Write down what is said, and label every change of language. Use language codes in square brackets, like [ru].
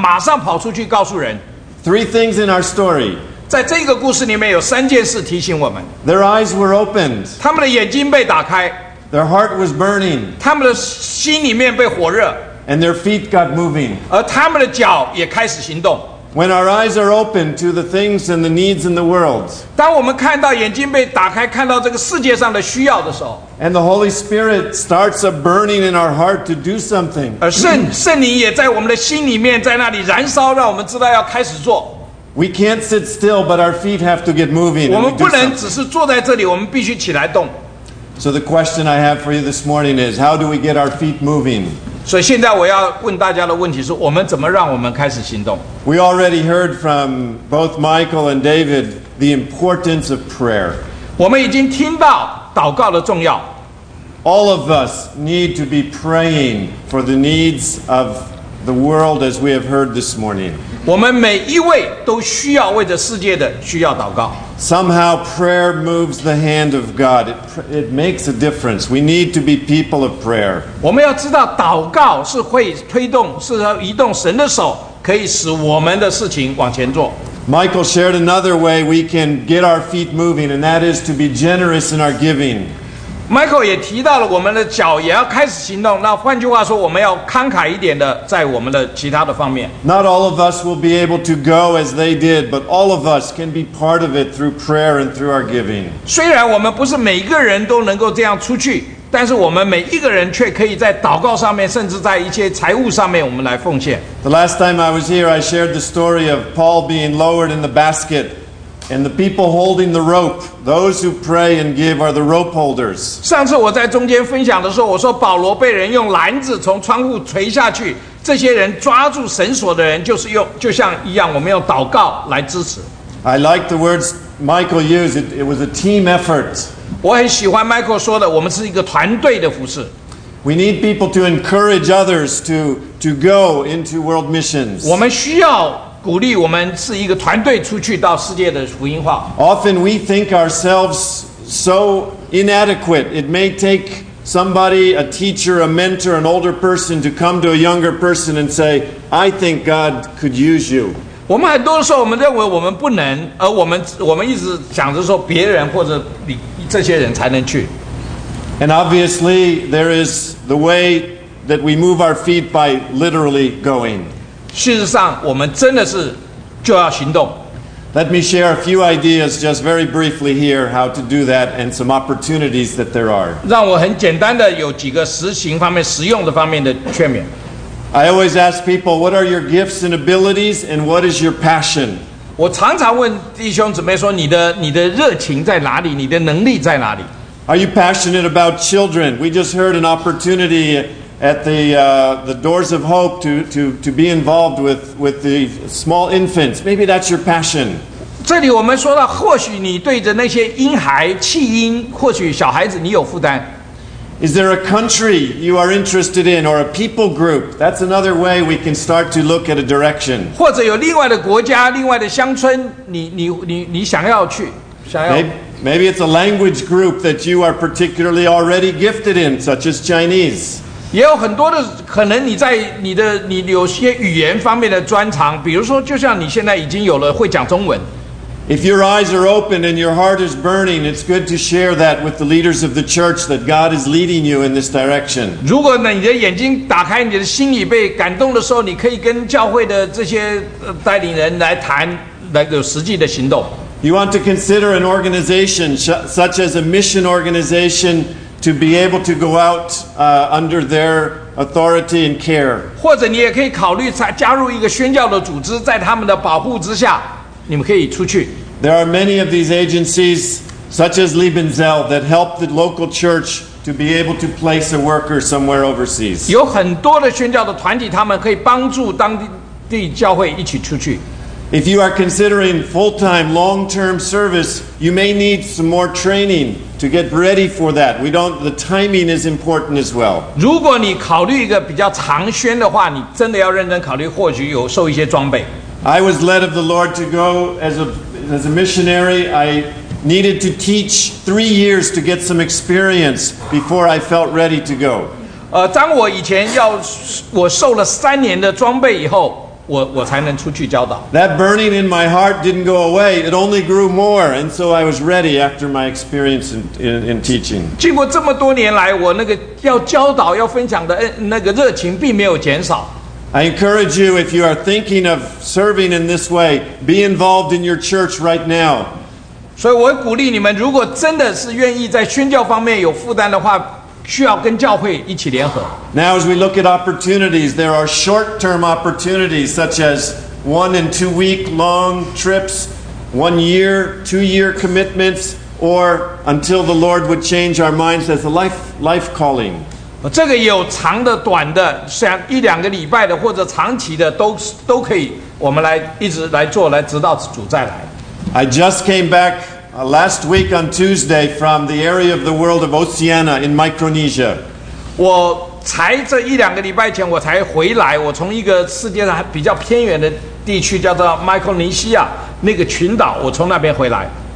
[zh] 所以我们接下来看到他们心里火热，他们马上跑出去告诉人。 [en] Three things in our story. [zh] 在这个故事里面有三件事提醒我们。 [en] Their eyes were opened. [zh] 他们的眼睛被打开。 [en] Their heart was burning. [zh] 他们的心里面被火热。 [en] And their feet got moving. [zh] 而他们的脚也开始行动。 [en] When our eyes are opened to the things and the needs in the world. [zh] 当我们看到眼睛被打开，看到这个世界上的需要的时候。 [en] And the Holy Spirit starts a burning in our heart to do something. [zh] 而圣灵也在我们的心里面，在那里燃烧，让我们知道要开始做。 [en] We can't sit still, but our feet have to get moving. [zh] 我们不能只是坐在这里，我们必须起来动。 [en] So the question I have for you this morning is, how do we get our feet moving? [zh] 所以现在我要问大家的问题是，我们怎么让我们开始行动？ [en] We already heard from both Michael and David the importance of prayer. [zh] 我们已经听到祷告的重要。 [en] All of us need to be praying for the needs of the world as we have heard this morning. [zh] 我们每一位都需要为着世界的需要祷告。 [en] Somehow prayer moves the hand of God. It makes a difference. We need to be people of prayer. [zh] 我们要知道祷告是会推动，是移动神的手，可以使我们的事情往前做。 [en] Michael shared another way we can get our feet moving, and that is to be generous in our giving. [zh] Michael 也提到了我们的脚也要开始行动，那换句话说，我们要慷慨一点的在我们的其他的方面。 [en] Not all of us will be able to go as they did, but all of us can be part of it through prayer and through our giving. [zh] 虽然我们不是每一个人都能够这样出去，但是我们每一个人却可以在祷告上面，甚至在一些财务上面，我们来奉献。 [en] The last time I was here, I shared the story of Paul being lowered in the basket, and the people holding the rope. Those who pray and give are the rope holders. [zh] 上次我在中间分享的时候，我说保罗被人用篮子从窗户垂下去，这些人抓住绳索的人就是用，就像一样，我们用祷告来支持。 [en] I like the words Michael used. It was a team effort. [zh] 我很喜欢 Michael 说的，我们是一个团队的服事。 [en] We need people to encourage others to go into world missions. [zh] 我们需要鼓励我们是一个团队出去到世界的福音化。 [en] Often we think ourselves so inadequate. It may take somebody, a teacher, a mentor, an older person to come to a younger person and say, "I think God could use you." [zh] 我们很多时候我们认为我们不能，而我们一直想着说别人或者你。这些人才能去。 [en] And obviously, there is the way that we move our feet by literally going. [zh] 事实上，我们真的是就要行动。 [en] Let me share a few ideas just very briefly here how to do that and some opportunities that there are. [zh] 让我很简单的有几个实行方面、实用的方面的劝勉。 [en] I always ask people, what are your gifts and abilities and what is your passion? [zh] 我常常问弟兄姊妹说你的热情在哪里，你的能力在哪里。 [en] Are you passionate about children? We just heard an opportunity at the Doors of Hope to be involved with the small infants. Maybe that's your passion. [zh] 这里我们说到或许你对着那些婴孩弃婴，或许小孩子你有负担。 [en] Is there a country you are interested in or a people group? That's another way we can start to look at a direction. [zh] 或者有另外的国家，另外的乡村，你想要去，想要。 [en] Maybe it's a language group that you are particularly already gifted in, such as Chinese. [zh] 也有很多的可能你在你有些语言方面的专长，比如说就像你现在已经有了会讲中文。 [en] If your eyes are open and your heart is burning, it's good to share that with the leaders of the church that God is leading you in this direction. [zh] 如果呢，你的眼睛打开，你的心里被感动的时候，你可以跟教会的这些带领人来谈，来有实际的行动。 [en] You want to consider an organization such as a mission organization to be able to go out under their authority and care. [zh] 或者你也可以考虑加入一个宣教的组织，在他们的保护之下。你们可以出去。 [en] There are many of these agencies, such as Liebenzell, that help the local church to be able to place a worker somewhere overseas. [zh] 有很多的宣教的团体，他们可以帮助当地教会一起出去。 [en] If you are considering full-time, long-term service, you may need some more training to get ready for that. The timing is important as well. [zh] 如果你考虑一个比较长宣的话，你真的要认真考虑，或许有受一些装备。 [en] I was led of the Lord to go as a missionary. I needed to teach 3 years to get some experience before I felt ready to go. [zh] 当我以前要我受了三年的装备以后，我才能出去教导。 [en] That burning in my heart didn't go away. It only grew more, and so I was ready after my experience in teaching. [zh] 经过这么多年来，我那个要教导要分享的那个热情并没有减少。 [en] I encourage you, if you are thinking of serving in this way, be involved in your church right now. [zh] 所以我鼓励你们，如果真的是愿意在宣教方面有负担的话，需要跟教会一起联合。 [en] Now, as we look at opportunities, there are short-term opportunities such as 1 and 2 week long trips, 1 year, 2 year commitments, or until the Lord would change our minds as a life calling. [zh] 这个有长的、短的，像一两个礼拜的或者长期的，都可以，我们来一直来做，来直到主再来。 [en] I just came back last week on Tuesday from the area of the world of Oceania in Micronesia. [zh] 我才这一两个礼拜前我才回来，我从一个世界上比较偏远的地区叫做麦克尼西亚那个群岛，我从那边回来。